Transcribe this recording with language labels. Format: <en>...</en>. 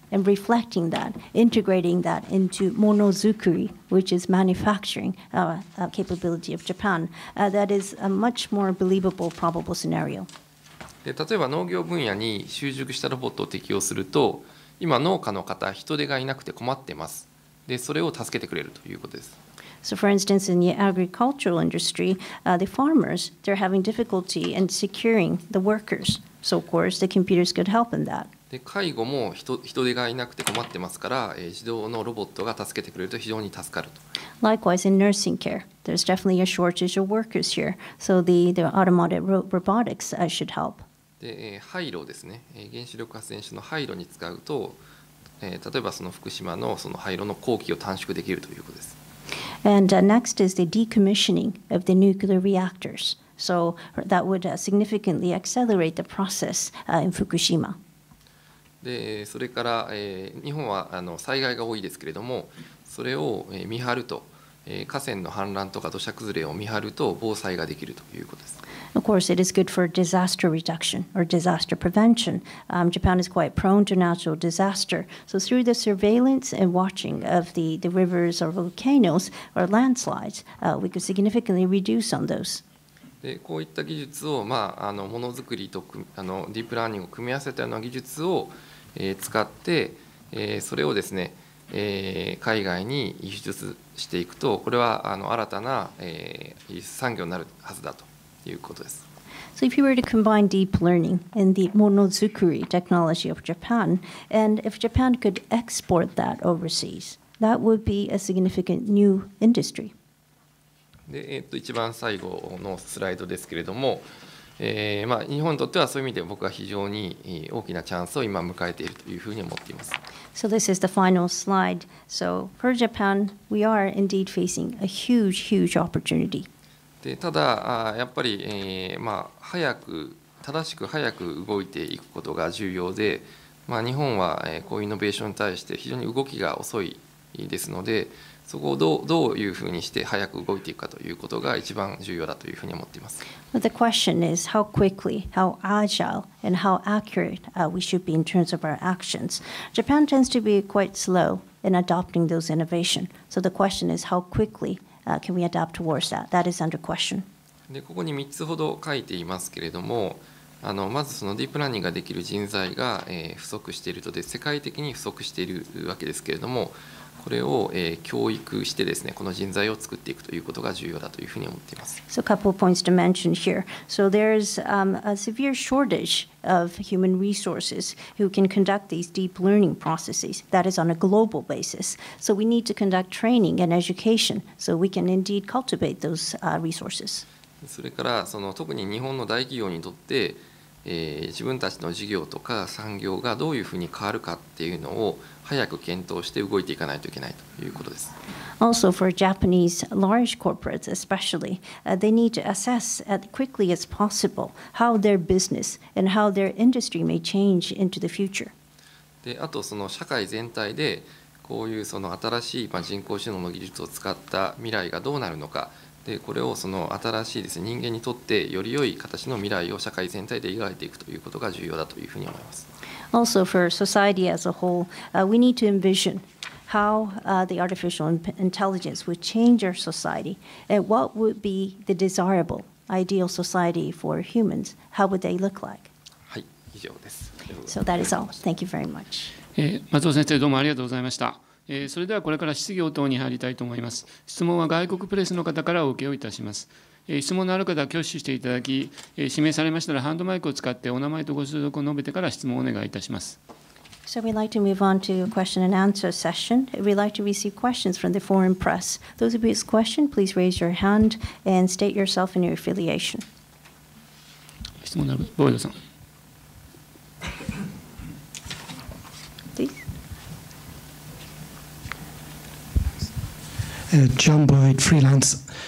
<en>And reflecting that, integrating that into monozukuri, which is manufacturing capability of Japan, that is a much more believable, probable scenario.</en> <ja>で、例えば農業分野に習熟したロボットを適用すると、今農家の方、人手がいなくて困ってます。で、それを助けてくれるということです。</ja> <en>So for instance, in the agricultural industry, the farmers, they're having difficulty in securing the workers. So of course, the computers could help in that.</en> <ja>で、介護も人手がいなくて困ってますから、自動のロボットが助けてくれると非常に助かると。</ja> <en>Likewise, in nursing care, there's definitely a shortage of workers here, so the automated robotics should help.</en> <ja>で、廃炉ですね。原子力発電所の廃炉に使うと、例えばその福島のその廃炉の工期を短縮できるということです。</ja> <en>And next is the decommissioning of the nuclear reactors. So that would significantly accelerate the process in Fukushima.</en> <ja>で、それから、日本は災害が多いですけれども、それを見張ると、河川の氾濫とか土砂崩れを見張ると防災ができるということです。</ja> <en>Of course, it is good for disaster reduction or disaster prevention. Japan is quite prone to natural disaster. So through the surveillance and watching of the rivers or volcanoes or landslides, we could significantly reduce on those.</en> <ja>でこういった技術を、まあ、あのものづくりとあのディープラーニングを組み合わせたような技術を、使って、それをですね、海外に輸出していくと、これはあの新たな、技術産業になるはずだということです。</ja> <en>So if you were to combine deep learning and the monozukuri technology of Japan, and if Japan could export that overseas, that would be a significant new industry.</en> <ja>で、一番最後のスライドですけれども、まあ、日本にとってはそういう意味で僕は非常に大きなチャンスを今迎えているというふうに思っています。</ja> <en>So this is the final slide. So for Japan, we are indeed facing a huge, huge opportunity.</en> <ja>でただやっぱり、まあ、早く正しく早く動いていくことが重要で、まあ、日本はこういうイノベーションに対して非常に動きが遅いですので、そこをどういうふうにして早く動いていくかということが一番重要だというふうに思っています。</ja> <en>But the question is how quickly, how agile and how accurate we should be in terms of our actions. Japan tends to be quite slow in adopting those innovation. So the question is how quickly can we adapt towards that? That is under question.</en> <ja>で、ここに3つほど書いていますけれども、あのまずそのディープラーニングができる人材が、不足していると、で世界的に不足しているわけですけれども、これを、教育してですね、この人材を作っていくということが重要だというふうに思っています。</ja> <en>So a couple of points to mention here. So there's a severe shortage of human resources who can conduct these deep learning processes. That is on a global basis. So we need to conduct training and education so we can indeed cultivate those resources.</en> <ja>それからその特に日本の大企業にとって、自分たちの事業とか産業がどういうふうに変わるかっていうのを早く検討して動いていかないといけないということです。</ja> <en>Also for Japanese large corporates especially, they need to assess as quickly as possible how their business and how their industry may change into the future.</en> <ja>で、あとその社会全体でこういうその新しい人工知能の技術を使った未来がどうなるのか、でこれをその新しいですね、人間にとってより良い形の未来を社会全体で描いていくということが重要だというふうに思います。</ja> <en>Also for society as a whole, we need to envision how the artificial intelligence would change our society and what would be the desirable ideal society for humans. How would they look like?</en> <ja>はい、以上です。</ja> <en>So that is all. Thank you very much.</en> <ja>松尾先生、どうもありがとうございました。それではこれから質疑応答に入りたいと思います。質問は外国プレスの方からお受けをいたします。質問のある方は挙手していただき、指名されましたらハンドマイクを使ってお名前とご所属を述べてから質問をお願いいたします。</ja> <en>So we'd like to move on to question and answer session. We'd like to receive questions from the foreign press. Those of you with question, please raise your hand and state yourself and your affiliation.</en> <ja>質問のある方、ボイドさん。ジョン・ボイド、フリーランス。</ja>